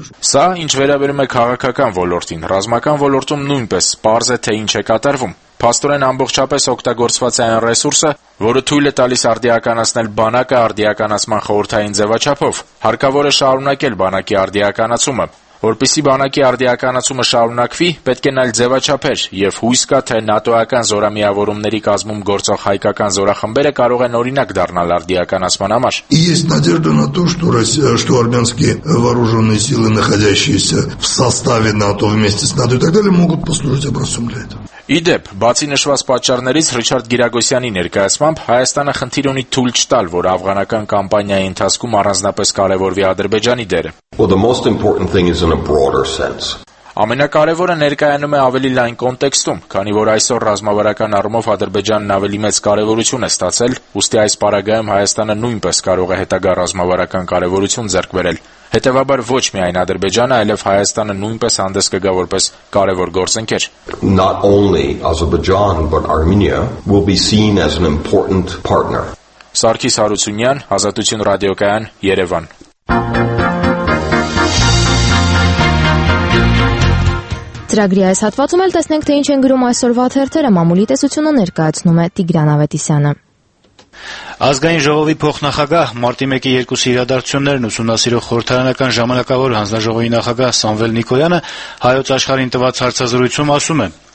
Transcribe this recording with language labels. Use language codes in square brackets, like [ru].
[hy] Սա, ինչ վերաբերում է քաղաքական ոլորտին, ռազմական ոլորտում նույնպես պարզ է, թե ինչ է կատարվում։ Փաստորեն ամբողջապես օգտագործված է այն ռեսուրսը, որը թույլ է տալիս արդիականացնել բանակը արդիականացման խորհրդային ձևաչափով։ Հարկավոր է շարունակել բանակի արդիականացումը։ Որպեսզի բանակի արդիականացումը շարունակվի, պետք են այլ ձևաչափեր, և հույս կա, թե ՆԱՏՕ-ական զորամիավորումների կազմում գործող հայկական զորախմբերը կարող են օրինակ դառնալ արդիականացման համար։ [ru] Есть надежда на то, что армянские вооружённые силы, находящиеся в составе НАТО вместе с НАТО и так далее, могут послужить образцом для этого. [hy] Իդեպ, բացի նշված պատճառներից Ռիչարդ Գիրագոսյանի ներկայացմամբ Հայաստանը խնդիր ունի թույլ չտալ, որ աֆղանական կամպանիայի ընթացքում առանձնապես կարևորվի Ադրբեջանի դերը։ [en] Well, the most important thing is in a broader sense. [hy] Ամենակարևորը ներկայանում է ավելի լայն կոնտեքստում, քանի որ այսօր ռազմավարական առումով Ադրբեջանն ավելի մեծ կարևորություն է ստացել, ուստի այս պարագայում Հայաստանը նույնպես կարող է հետագա ռազմավարական կարևորություն ձեռք բերել։ Հետևաբար ոչ միայն Ադրբեջանը, այլև Հայաստանը նույնպես հանդես կգա որպես կարևոր գործընկեր։ [en] Not only Azerbaijan, but Armenia will be seen as an important partner. [hy] Սարգիս Հարությունյան, Ազատություն ռադիոկայան, Երևան։ Ծրագրի այս հատվածում էլ տեսնենք, թե ինչ են գրում այսօրվա թերթերը, մամուլի տեսությունը ներկայացնում է Տիգրան Ավետիսյանը։ Ազգային ժողովի փոխնախագահ մարտի 1-ի 2-ի իրադարձություններն ուսումնասիրող խորհրդարանական ժամանակավոր հանձնաժողովի նախագահ Սամվել Նիկոյանը հայոց աշխարհին տված հարցազրույցում ասում է.